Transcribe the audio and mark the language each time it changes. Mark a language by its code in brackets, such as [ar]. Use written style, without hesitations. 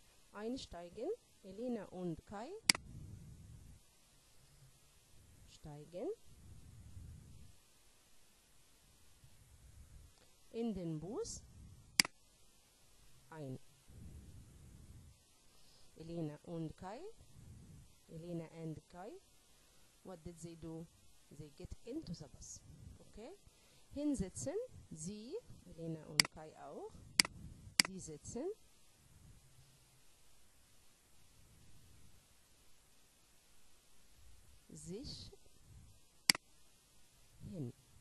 [de] Einsteigen, Elena und Kai steigen in den Bus ein. [en] Elena und Kai, Elena and Kai, what did they do? They get into the bus. Okay? [de] Hinsetzen, sie, Elena und Kai auch, sie sitzen sich hin.